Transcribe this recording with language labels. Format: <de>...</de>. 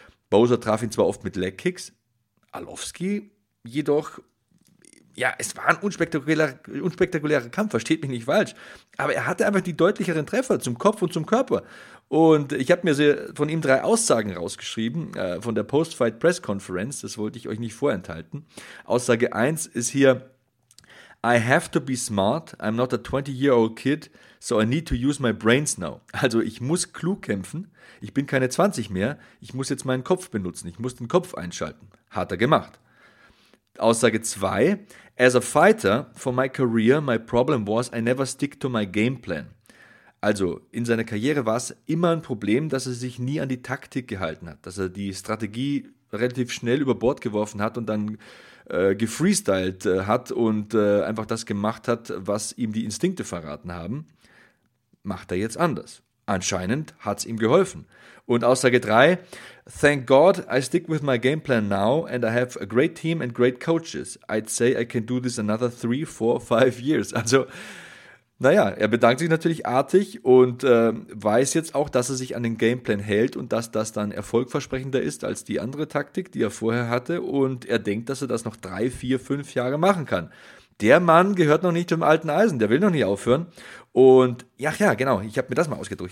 <de>Bozier traf ihn zwar oft mit Leg Kicks, Arlovski jedoch, ja, es war ein unspektakulärer Kampf, versteht mich nicht falsch. Aber er hatte einfach die deutlicheren Treffer zum Kopf und zum Körper. Und ich habe mir von ihm 3 Aussagen rausgeschrieben, von der Post-Fight Press Conference, das wollte ich euch nicht vorenthalten. Aussage 1 ist hier:</de> <en>I have to be smart, I'm not a 20-year-old kid, so I need to use my brains now.</en> <de>Also ich muss klug kämpfen, ich bin keine 20 mehr, ich muss jetzt meinen Kopf benutzen, ich muss den Kopf einschalten. Hat er gemacht. Aussage 2,</de> <en>as a fighter, for my career, my problem was I never stick to my game plan.</en> <de>Also in seiner Karriere war es immer ein Problem, dass er sich nie an die Taktik gehalten hat, dass er die Strategie relativ schnell über Bord geworfen hat und dann gefreestylt hat und einfach das gemacht hat, was ihm die Instinkte verraten haben, macht er jetzt anders. Anscheinend hat es ihm geholfen. Und Aussage 3,</de> <en>thank God I stick with my game plan now and I have a great team and great coaches. I'd say I can do this another 3, 4, 5 years.</en> <de>Also, naja, er bedankt sich natürlich artig und weiß jetzt auch, dass er sich an den Gameplan hält und dass das dann erfolgversprechender ist als die andere Taktik, die er vorher hatte. Und er denkt, dass er das noch 3, 4, 5 Jahre machen kann. Der Mann gehört noch nicht zum alten Eisen, der will noch nicht aufhören. Und ja, genau, ich habe mir das mal ausgedrückt.</de>